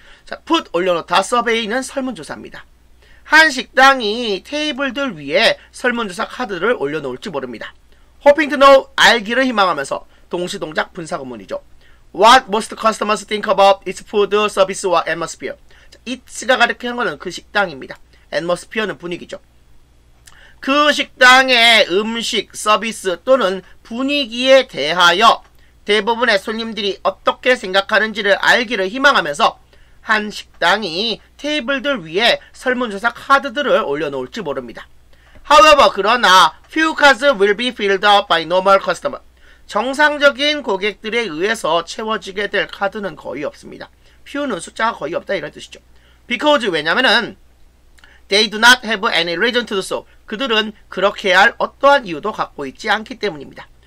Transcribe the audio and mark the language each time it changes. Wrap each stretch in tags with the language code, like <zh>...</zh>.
<ko>자, put 올려놓다, survey는 설문조사입니다. 한 식당이 테이블들 위에 설문조사 카드를 올려놓을지 모릅니다.</ko> <en>Hoping to know,</en> <ko>알기를 희망하면서 동시동작 분사구문이죠.</ko> <en>What most customers think about its food, service, or atmosphere?</en> <ko>It's가 가리키는 것은 그 식당입니다. Atmosphere는 분위기죠. 그 식당의 음식, 서비스 또는 분위기에 대하여 대부분의 손님들이 어떻게 생각하는지를 알기를 희망하면서 한 식당이 테이블들 위에 설문조사 카드들을 올려놓을지 모릅니다.</ko> <en>However,</en> <ko>그러나</ko> <en>few cards will be filled up by normal customers.</en> <ko>정상적인 고객들에 의해서 채워지게 될 카드는 거의 없습니다. few는 숫자가 거의 없다 이런 뜻이죠.</ko> <en>Because,</en> <ko>왜냐면은</ko> <en>they do not have any reason to do so.</en> <ko>그들은 그렇게 할 어떠한 이유도 갖고 있지 않기 때문입니다.</ko>